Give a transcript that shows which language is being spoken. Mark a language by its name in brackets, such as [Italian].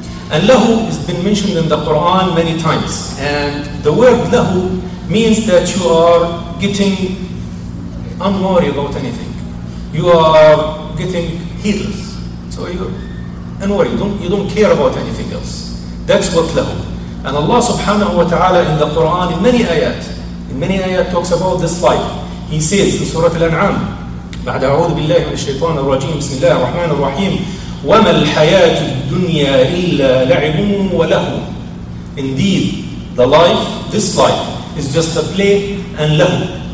[English] And lahu has been mentioned in the Quran many times. And the word lahu means that you are getting unworried about anything. You are getting heedless. So you're unworried. You don't care about anything else. That's what lahu. And Allah subhanahu wa ta'ala in the Quran in many ayat talks about this life. He says in Surah Al-An'am, [Arabic] بعد أعوذ بالله من الشيطان الرجيم بسم الله الرحمن الرحيم وما الحياة الدنيا إلا لعب ولهو. [English] Indeed, the life, this life, is just a play and lahu.